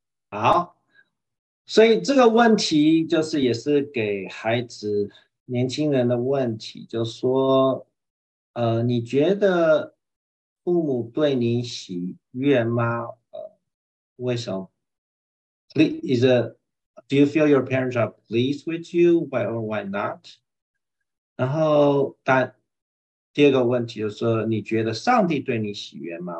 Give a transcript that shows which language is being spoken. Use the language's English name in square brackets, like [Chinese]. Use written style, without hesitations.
[Chinese] 好，所以这个问题就是也是给孩子年轻人的问题，就是说你觉得父母对你喜悦吗？为什么？ [English] Do you feel your parents are pleased with you? Why or why not? [Chinese] 然后第二个问题就是说，你觉得上帝对你喜悦吗？